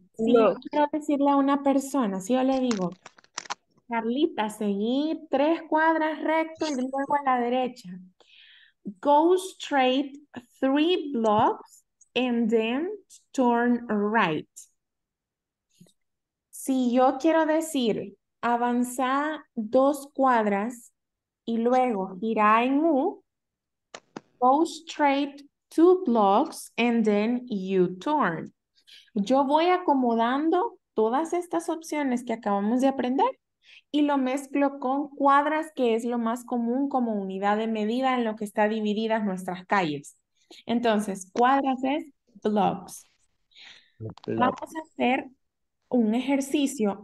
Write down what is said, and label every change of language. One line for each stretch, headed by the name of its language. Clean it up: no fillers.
Spanish: Si yo quiero decirle a una persona, si yo le digo, Carlita, seguí tres cuadras recto y luego a la derecha.
English: Go straight three blocks and then turn right.
Spanish: Si yo quiero decir, avanza dos cuadras y luego gira en U.
English: Go straight two blocks and then you turn.
Spanish: Yo voy acomodando todas estas opciones que acabamos de aprender y lo mezclo con cuadras, que es lo más común como unidad de medida en lo que están divididas nuestras calles. Entonces, cuadras es blocks. Vamos a hacer un ejercicio.